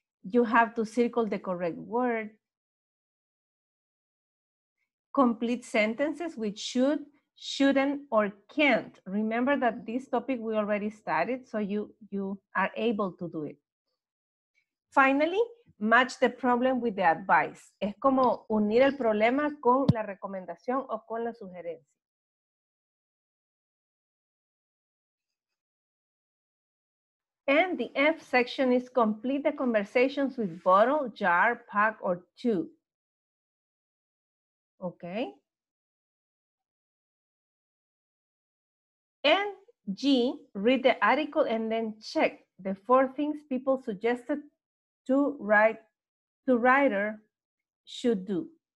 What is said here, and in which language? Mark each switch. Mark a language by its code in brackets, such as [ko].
[en] You have to circle the correct word. Complete sentences with should, shouldn't, or can't. Remember that this topic we already studied, so you are able to do it. Finally, match the problem with the advice. [es] Es como unir el problema con la recomendación o con la sugerencia. [en] And the F section is complete the conversations with bottle, jar, pack, or tube. Okay. And G, read the article and then check the four things people suggested to write to writer should do.